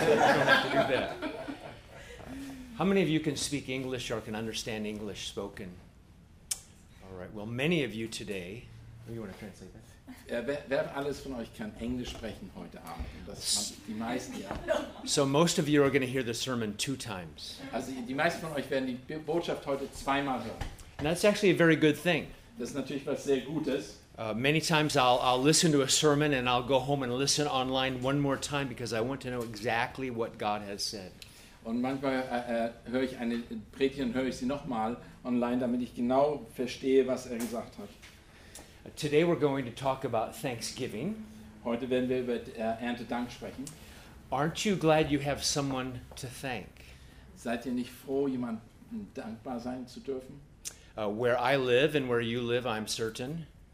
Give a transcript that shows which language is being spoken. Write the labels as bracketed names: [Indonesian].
[English] So you don't have to do that. How many of you can speak English or can understand English spoken? All right. Well, many of you today. Oh, you want to translate that? [German] Wer alles von euch kann Englisch sprechen heute Abend? Das die meisten ja. [English] So most of you are going to hear the sermon two times. [German] Also die meisten von euch werden die Botschaft heute zweimal hören. [English] And that's actually a very good thing. [German] Das ist natürlich was sehr Gutes. [English] Many times I'll listen to a sermon and I'll go home and listen online one more time because I want to know exactly what God has said. [German] Und manchmal höre ich eine Predigt und höre ich sie nochmal online, damit ich genau verstehe, was er gesagt hat. [English] Today we're going to talk about Thanksgiving. [German] Heute werden wir über Erntedank sprechen. [English] Aren't you glad you have someone to thank? [German] Seid ihr nicht froh, jemandem dankbar sein zu dürfen? [English] Where I live and where you live, I'm certain.